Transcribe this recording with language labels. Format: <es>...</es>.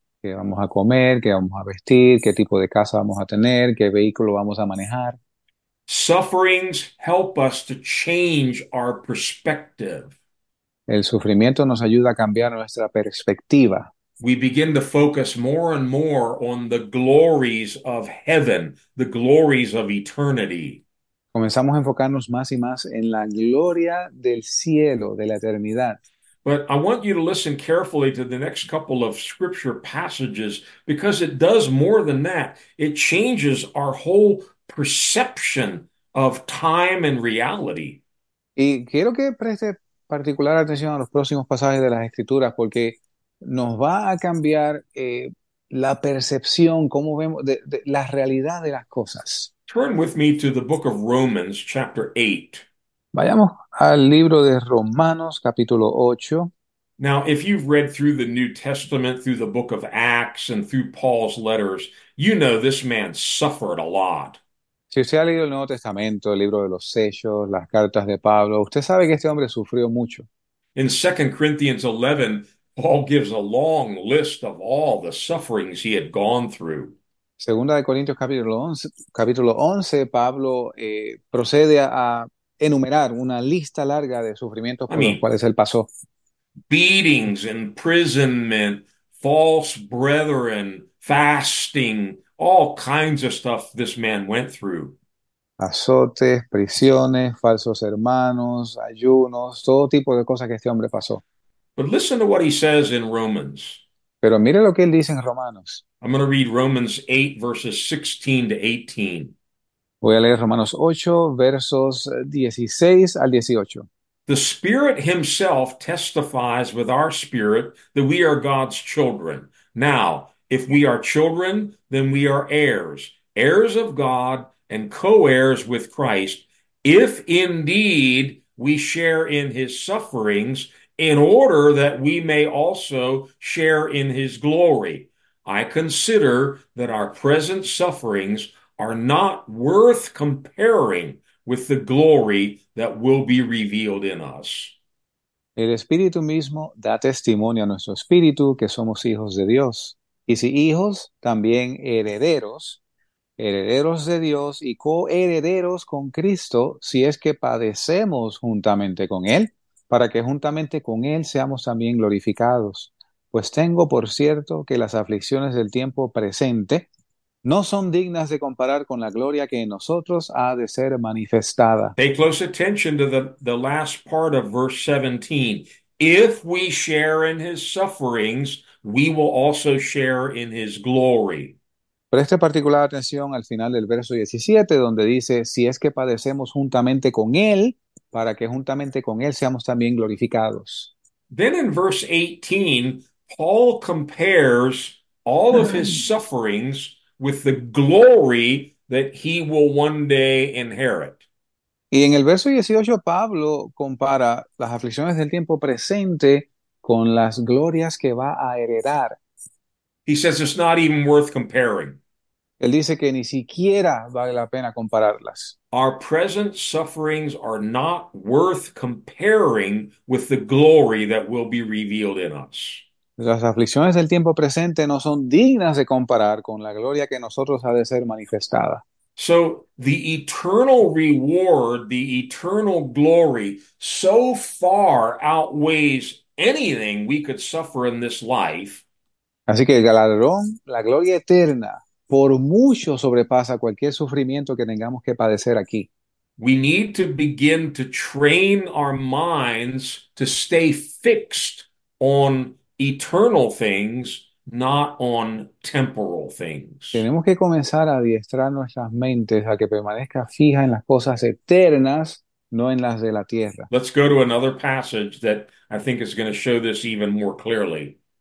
<es>qué vamos a comer, qué vamos a vestir, qué tipo de casa vamos a tener, qué vehículo vamos a manejar.</es> <en>Sufferings help us to change our perspective.</en> <es>El sufrimiento nos ayuda a cambiar nuestra perspectiva.</es> <en>We begin to focus more and more on the glories of heaven, the glories of eternity.</en> <es>Comenzamos a enfocarnos más y más en la gloria del cielo, de la eternidad.</es> <en>But I want you to listen carefully to the next couple of scripture passages because it does more than that. It changes our whole perception of time and reality.</en> <es>Y quiero que preste particular atención a los próximos pasajes de las Escrituras porque nos va a cambiar la percepción, cómo vemos de la realidad de las cosas.</es> <en>Turn with me to the book of Romans, chapter 8.</en> <es>Vayamos al libro de Romanos, capítulo 8.</es> <en>Now, if you've read through the New Testament, through the book of Acts, and through Paul's letters, you know this man suffered a lot.</en> <es>Si usted ha leído el Nuevo Testamento, el libro de los Hechos, las cartas de Pablo, usted sabe que este hombre sufrió mucho.</es> <en>In 2 Corinthians 11, Paul gives a long list of all the sufferings he had gone through.</en> <es>Segunda de Corintios, capítulo 11, Pablo procede a enumerar una lista larga de sufrimientos por los</es> <en>mean,</en> <es>cuales él pasó.</es> <en>beatings, imprisonment, false brethren, fasting, all kinds of stuff this man went through.</en> <es>Azotes, prisiones, falsos hermanos, ayunos, todo tipo de cosas que este hombre pasó.</es> <en>But listen to what he says in Romans.</en> <es>Pero mire lo que él dice en Romanos.</es> <en>I'm going to read Romans 8, verses 16 to 18.</en> <es>Voy a leer Romanos 8, versos 16 al 18.</es> <en>The Spirit Himself testifies with our spirit that we are God's children. Now, if we are children, then we are heirs, heirs of God, and co-heirs with Christ, if indeed we share in His sufferings, in order that we may also share in His glory. I consider that our present sufferings are not worth comparing with the glory that will be revealed in us.</en> <es>El Espíritu mismo da testimonio a nuestro Espíritu que somos hijos de Dios. Y si hijos, también herederos, herederos de Dios y coherederos con Cristo, si es que padecemos juntamente con Él, para que juntamente con Él seamos también glorificados. Pues tengo por cierto que las aflicciones del tiempo presente no son dignas de comparar con la gloria que en nosotros ha de ser manifestada.</es> <en>Pay close attention to the last part of verse 17. If we share in his sufferings, we will also share in his glory.</en> <es>Preste particular atención al final del verso 17, donde dice, si es que padecemos juntamente con Él, para que juntamente con Él seamos también glorificados.</es> <en>Then in verse 18, Paul compares all of his sufferings with the glory that he will one day inherit.</en> <es>Y en el verso 18, Pablo compara las aflicciones del tiempo presente con las glorias que va a heredar.</es> <en>He says it's not even worth comparing.</en> <es>Él dice que ni siquiera vale la pena compararlas.</es> <en>Our present sufferings are not worth comparing with the glory that will be revealed in us.</en> <es>Las aflicciones del tiempo presente no son dignas de comparar con la gloria que nosotros ha de ser manifestada.</es> <en>So the eternal reward, the eternal glory, so far outweighs anything we could suffer in this life.</en> <es>Así que el galardón, la gloria eterna, por mucho sobrepasa cualquier sufrimiento que tengamos que padecer aquí.</es> <en>We need to begin to train our minds to stay fixed on eternal things, not on temporal things.</en> <es>Tenemos que comenzar a adiestrar nuestras mentes a que permanezca fija en las cosas eternas, no en las de la tierra.</es> <en>Let's go to another passage that I think is going to show this even more clearly.</en>